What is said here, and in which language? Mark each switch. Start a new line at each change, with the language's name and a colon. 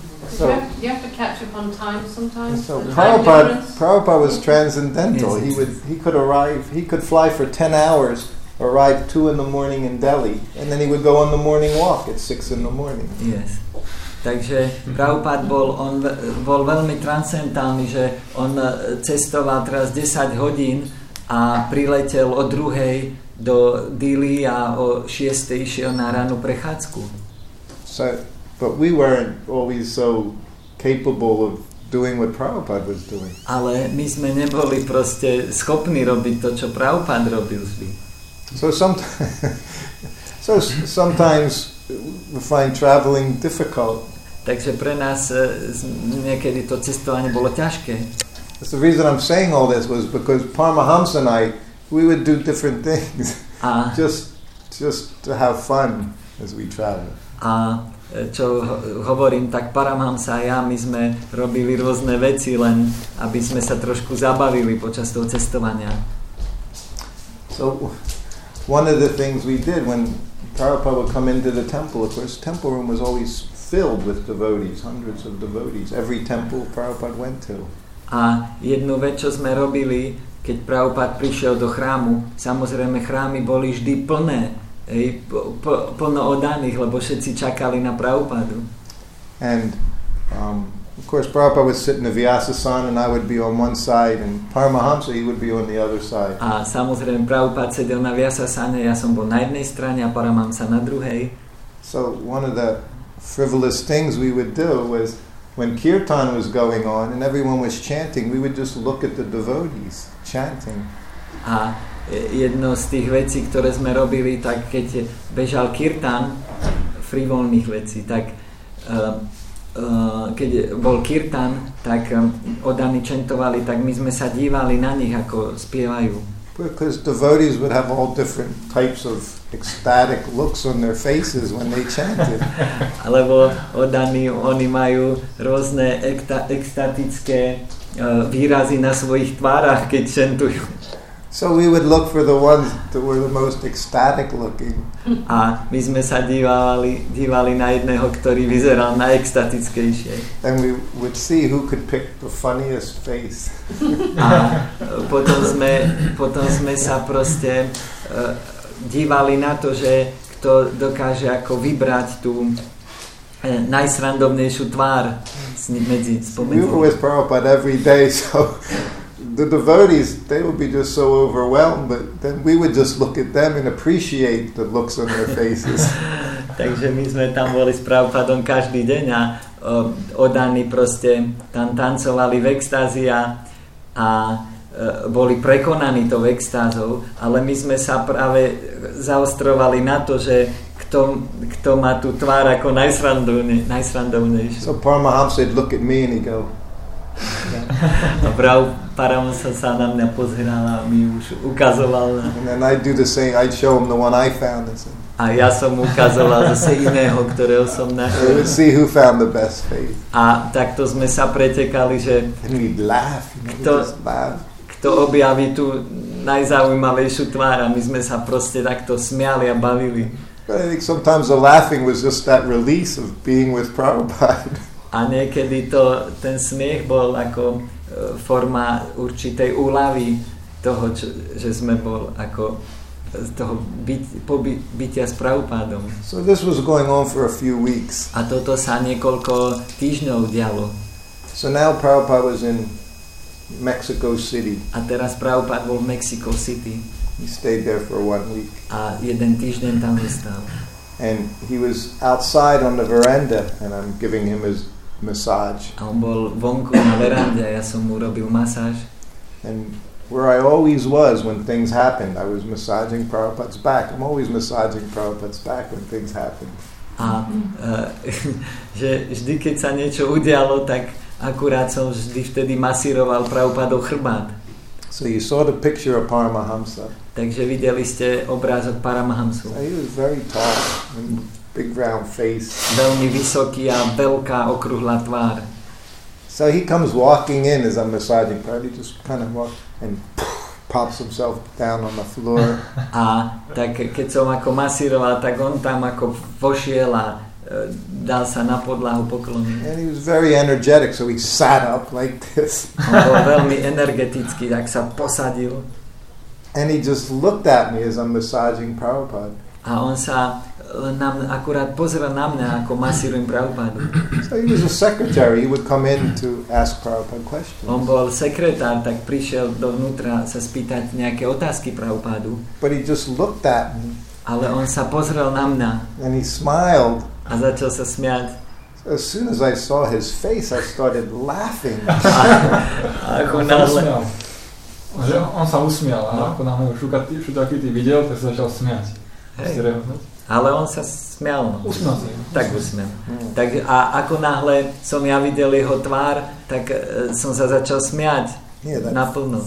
English: So, you have to catch up on time sometimes. So Prabhupada was transcendental. He could fly for 10 hours arrive 2 a.m. in Delhi, and then he would go on the morning walk at 6 a.m. Yes.
Slovak: Takže Prabhupád bol, on bol veľmi transcendentálny, že on cestoval teraz 10 hodín a priletel o 2 do Dili a o 6 išiel na ranú prechádzku.
English: So, but we weren't always so capable of doing what Prabhupád was doing.
Slovak: Ale my sme neboli proste schopní robiť to, čo Prabhupád robil vždy.
English: So sometimes we find traveling difficult.
Slovak: Takže pre nás niekedy to cestovanie bolo ťažké.
English: That's the reason I'm saying all this was because Paramahamsa and I, we would do different things just to have fun as we travel.
Slovak: A čo hovorím, tak Paramahamsa a ja, my sme robili rôzne veci, len aby sme sa trošku zabavili počas toho cestovania.
English: So one of the things we did when Prabhupada would come into the temple, of course, the temple room was always filled with devotees, hundreds of devotees. Every temple Prabhupada went to.
Slovak: A jednu vec, čo sme robili, keď Prabhupada prišiel do chrámu, samozrejme chrámy boli vždy plné, plno oddaných, lebo všetci čakali na Prabhupadu.
English: And of course, Prabhupada would sit in the Vyasasana and I would be on one side and Paramahamsa, he would be on the other side.
Slovak: A samozrejme, Prabhupada sedel na Vyasasane, ja som bol na jednej strane a Paramahamsa na druhej.
English: So one of the frivolous things we would do was when kirtan was going on and everyone was chanting, we would just look at the devotees chanting.
Slovak: A jedno z tých vecí, ktoré sme robili, tak keď bežal kirtan, frivolných vecí, tak keď bol kirtan, tak oddaní čentovali, tak my sme sa dívali na nich, ako spievajú.
English: Because devotees would have all different types of ecstatic looks on their faces when they chanted.
Slovak: Alebo oddaní, oni majú rôzne ekstatické výrazy na svojich tvárach, keď čentujú.
English: So we would look for the ones that were the most ecstatic looking.
Slovak: A my sme sa dívali na jedného, ktorý vyzeral najextatickejšie.
English: And we would see who could pick the funniest face.
Slovak: A potom sme sa proste dívali na to, že kto dokáže ako vybrať tú najsrandomnejšiu tvár medzi spomenutými.
English: We were with Prabhupada every day, so the devotees, they would be just so overwhelmed, but then we would just look at them and appreciate the looks on their faces.
Slovak: Takže my sme tam boli s Prabhupádom každý deň a oddaní proste tam tancovali v extázi a boli prekonaní to v extázov, ale my sme sa práve zaostrovali na to, že kto má tú tvár ako najsrandovnejšiu.
English: So Paramahamsa would look at me and he'd go,
Slovak: a Prabhu Paramahamsa sa na mňa pozeral a mi už ukazoval.
English: And then I'd do the same, I'd show him the one I found.
Slovak: A ja som ukazoval zase iného, ktorého som našiel.
English: We'd see who found the best face.
Slovak: A takto sme sa pretekali, že kto objaví tú najzaujímavejšiu tvár, a my sme sa proste takto smiali a bavili.
English: But I think sometimes the laughing was just that release of being with Prabhupada.
Slovak: A niekedy to, ten smiech bol ako forma určitej úľavy toho, že sme bol ako toho bytia s Prabhupádom.
English: So this was going on for a few weeks.
Slovak: A toto sa niekoľko týždňov dialo.
English: So now Prabhupada was in Mexico City.
Slovak: A teraz Prabhupád bol v Mexico City.
English: He stayed there for 1 week.
Slovak: A jeden týždeň tam zostal.
English: And he was outside on the veranda and I'm giving him his massage.
Slovak: A on bol vonku na verande a ja som mu robil masáž.
English: And where I always was when things happened, I was massaging Prabhupada's back. I'm always massaging Prabhupada's back when things happened.
Slovak: A že vždy, keď sa niečo udialo, tak akurát som vždy vtedy masíroval Prabhupádov chrbát.
English: So you saw the picture of Paramahamsa.
Slovak: Takže videli ste obrázok Paramahamsu.
English: So he was very tall and big round face.
Slovak: Veľmi vysoký a veľká okrúhla tvár.
English: So he comes walking in as I'm massaging Prabhupada. He just kind of walks and pops himself down on the floor.
Slovak: A tak keď som ako masíroval, tak on tam ako vošiel a dal sa na podlahu pokloniť.
English: And he was very energetic, so he sat up like this.
Slovak: On bol veľmi energetický, tak sa posadil.
English: And he just looked at me as I'm massaging Prabhupada.
Slovak: A on sa na mňa, akurát pozeral na mňa, ako masírujem Prabhupádu.
English: So he was a secretary, he would come in to ask Prabhupada questions.
Slovak: On bol sekretár, tak prišiel dovnútra sa spýtať nejaké otázky Prabhupádu.
English: But he just looked at me.
Slovak: Ale on sa pozrel na mňa.
English: And he smiled.
Slovak: A začal sa smiať.
English: As soon as I saw his face, I started laughing.
Slovak: Ako náhle. Že on sa usmial, no. Ako náhle už všetký tý videl, tak sa začal smiať. Hej, ale on sa smial. No. Usmial sa. Tak usmial. Tak a ako náhle som ja videl jeho tvár, tak som sa začal smiať.
English: Yeah,
Slovak: naplno.